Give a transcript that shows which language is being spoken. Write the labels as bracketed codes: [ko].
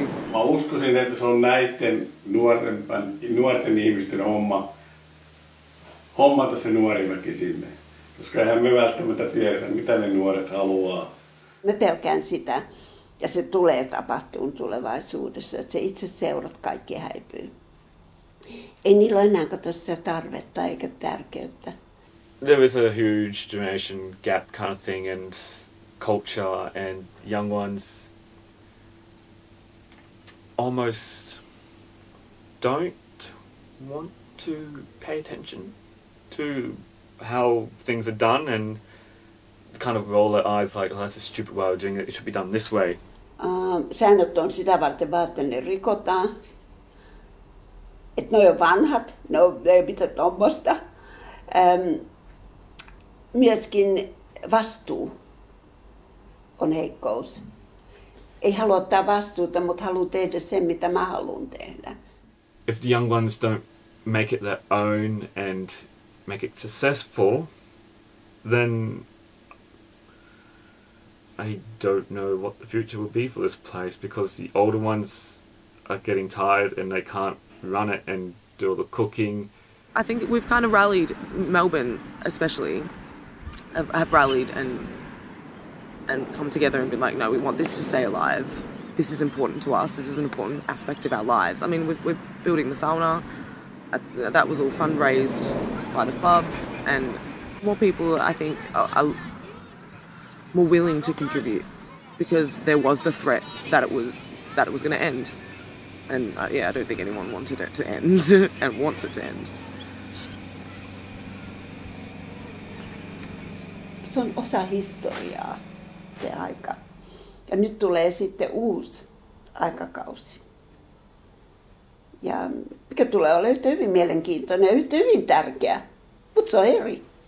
[fi] Mä uskoisin, että se on näiden nuorten ihmisten homma hommata se nuori väki sinne, koska eihän me välttämättä tiedä, mitä ne nuoret haluaa. Mä pelkään sitä, ja se tulee tapahtumaan tulevaisuudessa, että se itse seurat kaikki häipyy. Ei niillä enää kato sitä tarvetta eikä tärkeyttä. [en] There is a huge generation gap kind of thing, and culture and young ones almost don't want to pay attention to how things are done, and kind of roll their eyes like, oh, that's a stupid way of doing it, it should be done this way. [fi] Säännöt on sitä varten, että ne rikotaan. Että ne on vanhat, ne ei pitää tuommoista. Myöskin vastuu on heikkous. Ei halua ottaa vastuuta, mutta haluaa tehdä sen, mitä mä haluan tehdä. [en] If the young ones don't make it their own and make it successful, then I don't know what the future would be for this place, because the older ones are getting tired and they can't run it and do all the cooking. I think we've kind of rallied, Melbourne especially, have rallied and come together and been like, no, we want this to stay alive. This is important to us. This is an important aspect of our lives. I mean, we're building the sauna. That was all fundraised by the club, and more people, I think, are more willing to contribute because there was the threat that it was going to end. And I don't think anyone wanted it to end and wants it to end. [fi] Se on osa historiaa, se aika. Ja nyt tulee sitten uusi aikakausi. Ja mikä tulee olla yhtä hyvin mielenkiintoinen ja yhtä hyvin tärkeä, mutta se on eri.